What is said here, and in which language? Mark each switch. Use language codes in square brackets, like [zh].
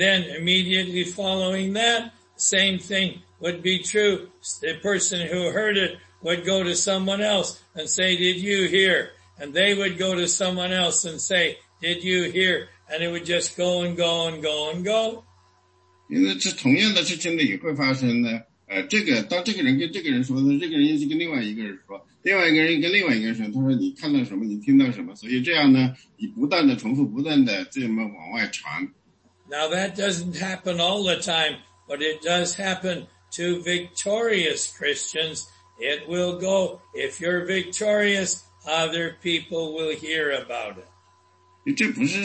[en] then immediately following that, same thing would be true. The person who heard it would go to someone else and say, did you hear? And they would go to someone else and say, did you hear? And it would just go and go and go and go. [zh] 因为这同样的事情呢也会发生呢，这个当这个人跟这个人说，这个人一直跟另外一个人说，另外一个人跟另外一个人说，他说你看到什么，你听到什么，所以这样呢，你不断的重复，不断的这么往外传。 [en] Now that doesn't happen all the time, but it does happen to victorious Christians. It will go. If you're victorious, other people will hear about it.